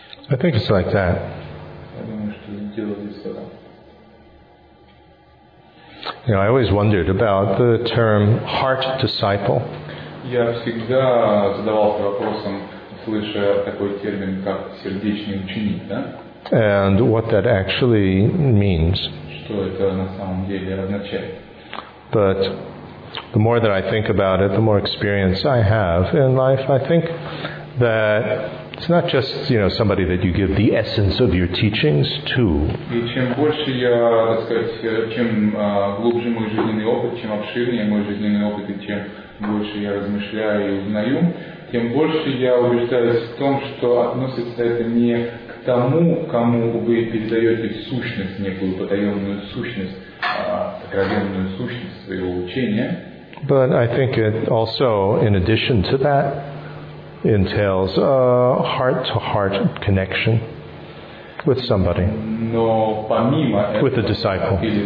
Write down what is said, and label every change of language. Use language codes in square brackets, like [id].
[en] I think it's like that. You know, I always wondered about the term heart disciple. [ru] Я всегда задавался вопросом, слыша такой термин, как сердечный ученик, да? [en] And what that actually means. [ru] Что это на самом деле означает? [en] But the more that I think about it, the more experience I have in life, I think that it's not just, you know, somebody that you give the essence of your teachings to. [ru] И чем больше я, так сказать, чем глубже мой жизненный опыт, чем обширнее мой жизненный опыт, и чем больше я размышляю и узнаю, тем больше я убеждаюсь в том, что относится это не к тому, кому вы передаете сущность, некую потаенную сущность, сокровенную сущность своего учения. [en] But I think it also, in addition to that, entails a heart-to-heart connection with somebody, with a disciple.